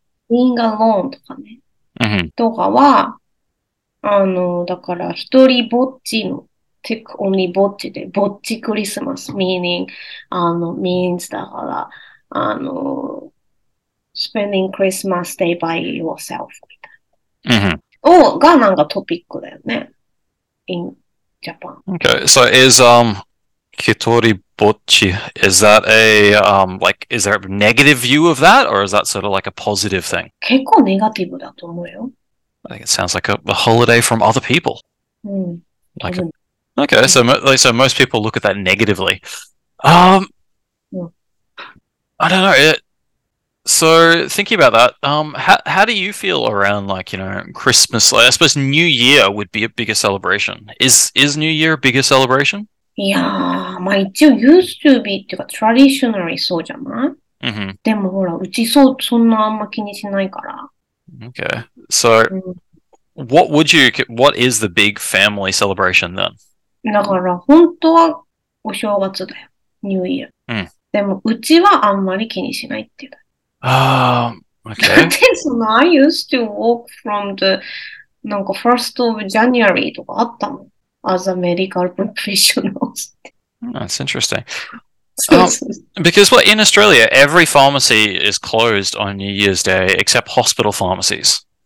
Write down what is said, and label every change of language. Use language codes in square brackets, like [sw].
[en] being alone [ja] とかね。とかは、だから、一人ぼっちの、 [en] take only [ja] ぼっちで、ぼっちクリスマス、 [en] meaning, means [ja] だから、 [en] spending Christmas day by yourself [ja] みたいな。がなんかトピックだよね。 [en] in Japan. Okay, so is, Kitori Bocchi, is that a, is there a negative view of that, or is that sort of like a positive thing? [ja] 結構ネガティブだと思うよ。 [en] I think it sounds like a holiday from other people. So most people look at that negatively. I don't know. So thinking about that, how do you feel around Christmas? Like, I suppose New Year would be a bigger celebration. Is New Year a bigger celebration? Yeah, [ja] まあ一応 [en] used to be [ja] っていうか [en] traditionally [ja] そうじゃない? でもほら、うちそんなあんま気にしないから。 [en] Okay, so what is the big family celebration then? [ja] だから本当はお正月だよ、New Year。でもうちはあんまり気にしないっていう。 [en] Okay. Then, I used to walk from the 1st of January [ja] とかあったもん。 [en] As a medical professional. That's interesting. because in Australia, every pharmacy is closed on New Year's Day except hospital pharmacies.